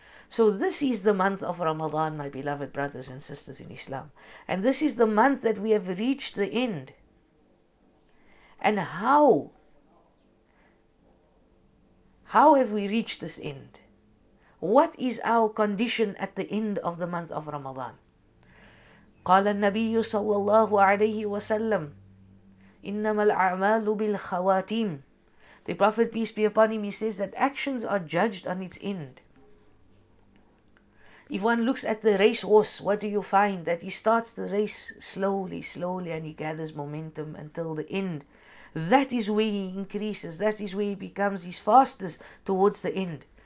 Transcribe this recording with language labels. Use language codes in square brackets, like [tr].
[en] So this is the month of Ramadan, my beloved brothers and sisters in Islam. And this is the month that we have reached the end. And how have we reached this end? What is our condition at the end of the month of Ramadan? [ar] قال النبي صلى الله عليه وسلم إنما الأعمال بالخواتيم. [en] The Prophet peace be upon him, he says that actions are judged on its end. If one looks at the race horse, what do you find? That he starts the race slowly, slowly, and he gathers momentum until the end. That is where he increases, that is where he becomes his fastest towards the end.